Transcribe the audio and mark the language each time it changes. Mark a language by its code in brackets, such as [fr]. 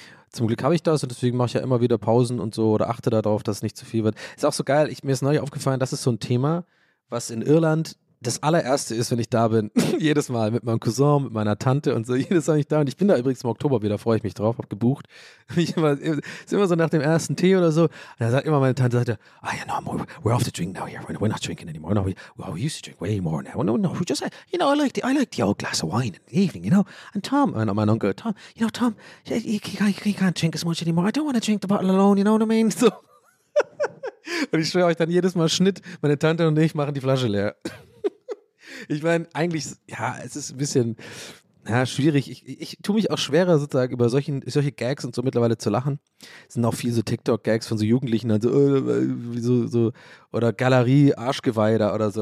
[de] Zum Glück habe ich das und deswegen mache ich ja immer wieder Pausen und so oder achte darauf, dass es nicht zu viel wird. Ist auch so geil, mir ist neulich aufgefallen, das ist so ein Thema, was in Irland das allererste ist, wenn ich da bin, jedes Mal mit meinem Cousin, mit meiner Tante und so, jedes Mal bin ich da und ich bin da übrigens im Oktober wieder, freue ich mich drauf, hab gebucht. Ist immer so nach dem ersten Tee oder so, und dann sagt immer meine Tante, [en] we're off the drink now here, we're not drinking anymore, we used to drink way more now, I like the old glass of wine in the evening, you know, and Tom, and [de] mein Onkel, [en] Tom, you know, Tom, he can't drink as much anymore, I don't want to drink the bottle alone, you know what I mean, so. [de] Und ich schwöre euch dann jedes Mal, Schnitt, meine Tante und ich machen die Flasche leer. Ich meine, eigentlich, ja, es ist ein bisschen schwierig. Ich tue mich auch schwerer, sozusagen über solche Gags und so mittlerweile zu lachen. Es sind auch viel so TikTok-Gags von so Jugendlichen, also so oder Galerie-Arschgeweihe oder so.